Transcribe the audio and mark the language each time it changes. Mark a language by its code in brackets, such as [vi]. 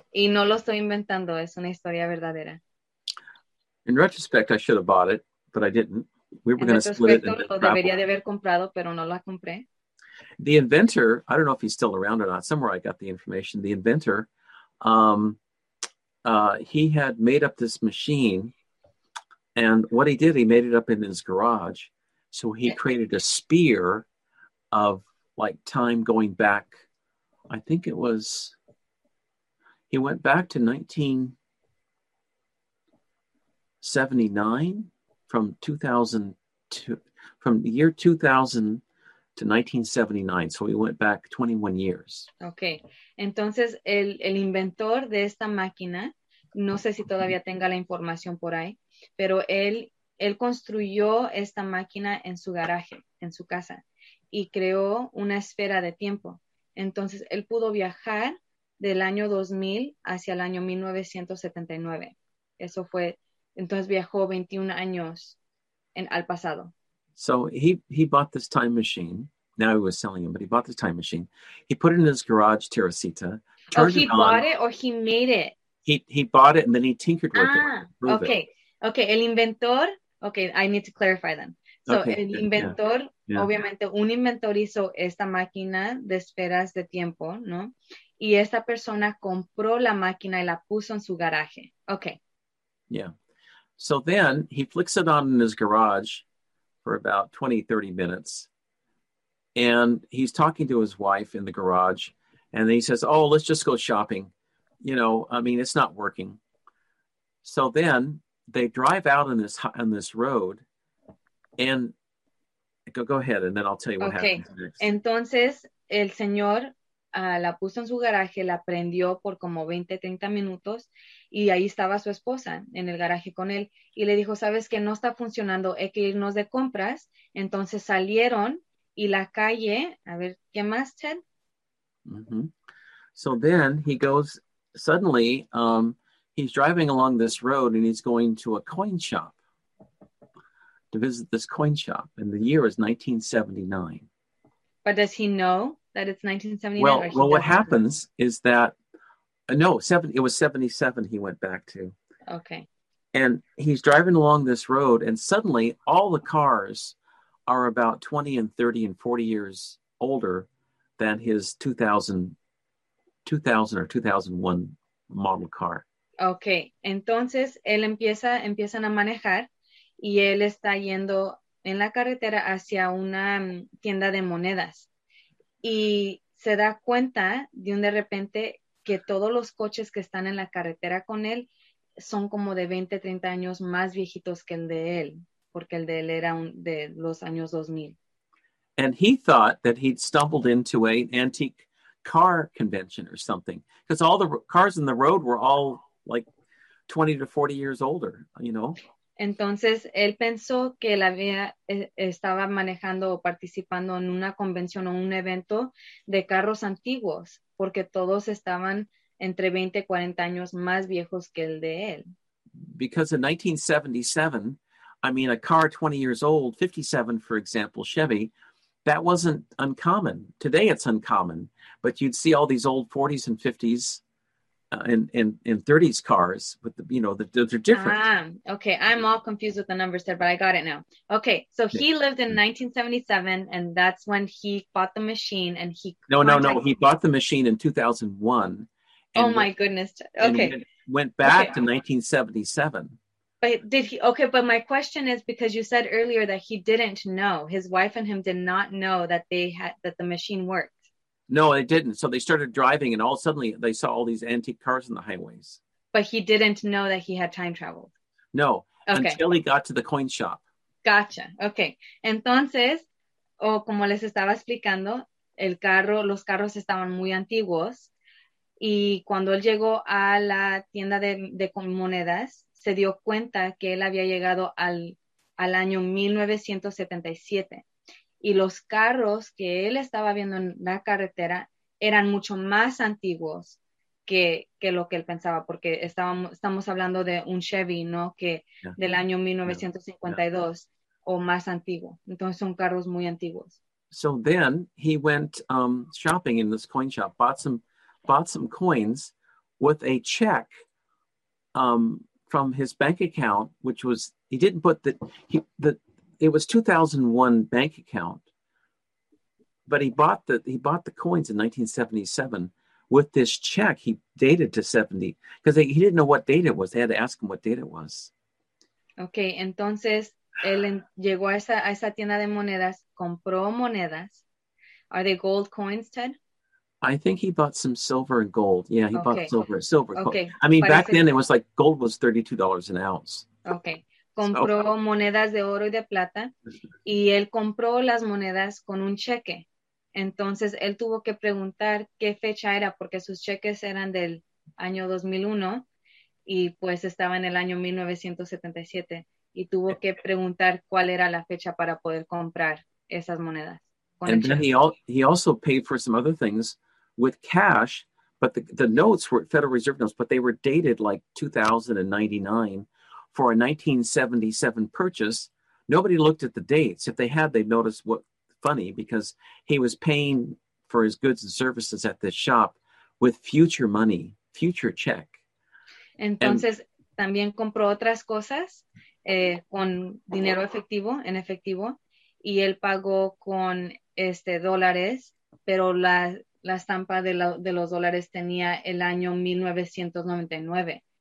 [es] Y no lo estoy inventando, es una historia verdadera. [en] In retrospect, I should have bought it, but I didn't. We were [es] En [en] going to split it [es] retrospecto, [en] and then [es] lo [en] travel. [es] debería de haber comprado, pero no lo compré. [en] The inventor, I don't know if he's still around or not, somewhere I got the information. The inventor, he had made up this machine, and what he did, he made it up in his garage. So he created a spear of like time going back. I think it was, he went back to 1979 from 2000 to, from the year 2000 to 1979. So he went back 21 years. Okay. [es] Entonces, el inventor de esta máquina, no sé si todavía tenga la información por ahí, pero él construyó esta máquina en su garaje, en su casa, y creó una esfera de tiempo. Entonces, él pudo viajar del año 2000 hacia el año 1979. Eso fue, entonces viajó 21 años al pasado. [en] So he bought this time machine. Now he was selling him, but he bought this time machine. He put it in his garage, Teresita. Oh, he bought it or he made it? He bought it and then he tinkered with it. [es] Okay. Okay, el inventor. [en] Okay, I need to clarify then. So okay, [es] el inventor, obviamente, un inventor hizo esta máquina de esferas de tiempo, ¿no? Y esta persona compró la máquina y la puso en su garaje. [en] Okay. Yeah. So then he flicks it on in his garage for about 20, 30 minutes. And he's talking to his wife in the garage. And then he says, oh, let's just go shopping. You know, I mean, it's not working. So then they drive out on this road. And go ahead, and then I'll tell you what happens next. [es] Entonces, el señor la puso en su garaje, la prendió por como 20, 30 minutos, y ahí estaba su esposa en el garaje con él. Y le dijo, sabes que no está funcionando, hay que irnos de compras. Entonces salieron, y la calle, a ver, ¿qué más, Ted? Mm-hmm. [en] So then he goes, suddenly, he's driving along this road, and he's going to a coin shop. To visit this coin shop, and the year is 1979. But does he know that it's 1979? Well, what happens is that it was 77 he went back to. Okay. And he's driving along this road, and suddenly all the cars are about 20 and 30 and 40 years older than his 2000 or 2001 model car. Okay. [es] Entonces él empiezan a manejar. Y él está yendo en la carretera hacia una tienda de monedas. Y se da cuenta de repente que todos los coches que están en la carretera con él son como de 20, 30 años más viejitos que el de él. Porque el de él era de los años 2000. [en] And he thought that he'd stumbled into an antique car convention or something. Because all the cars in the road were all like 20 to 40 years older, you know. [es] Entonces, él pensó que él estaba manejando o participando en una convención o un evento de carros antiguos, porque todos estaban entre 20 y 40 años más viejos que el de él. [en] Because in 1977, I mean, a car 20 years old, 57, for example, Chevy, that wasn't uncommon. Today it's uncommon, but you'd see all these old 40s and 50s. In 30s cars, but the, you know, those are different. Okay, I'm all confused with the numbers there, but I got it now. Okay, so he lived in 1977, and that's when he bought the machine, and he... No, he bought the machine in 2001. And oh my goodness, okay. And went back to 1977. But did he... Okay, but my question is, because you said earlier that he didn't know, his wife and him did not know that they had, that the machine worked. No, it didn't. So they started driving and all suddenly they saw all these antique cars on the highways. But he didn't know that he had time traveled. No, until he got to the coin shop. Gotcha. Okay. [es] Entonces, como les estaba explicando, los carros estaban muy antiguos. Y cuando él llegó a la tienda de monedas, se dio cuenta que él había llegado al año 1977. Y los carros que él estaba viendo en la carretera eran mucho más antiguos que lo que él pensaba, porque estamos hablando de un Chevy, ¿no? Que del año 1952 o más antiguo. Entonces son carros muy antiguos. [en] So then he went shopping in this coin shop, bought some coins with a check from his bank account, which was, he didn't put the, he, the, it was 2001 bank account, but he bought the coins in 1977 with this check. He dated to 70 because he didn't know what date it was. They had to ask him what date it was. [es] Okay, entonces él llegó a esa tienda de monedas, compró monedas. [en] Are they gold coins, Ted? I think he bought some silver and gold. Yeah, he bought silver. Okay. I mean, back then it was like gold was $32 an ounce. Okay. [es] Compró monedas de oro y de plata y él compró las monedas con un cheque. Entonces, él tuvo que preguntar qué fecha era porque sus cheques eran del año 2001 y pues estaba en el año 1977 y tuvo que preguntar cuál era la fecha para poder comprar esas monedas. [en] And then he also paid for some other things with cash, but the notes were Federal Reserve notes, but they were dated like 2099 for a 1977 purchase. Nobody looked at the dates. If they had, they'd notice what funny because he was paying for his goods and services at this shop with future money, future check. [es] Entonces, también compró otras cosas con dinero efectivo, en efectivo, y él pagó con dólares, pero la estampa de los dólares tenía el año 1999.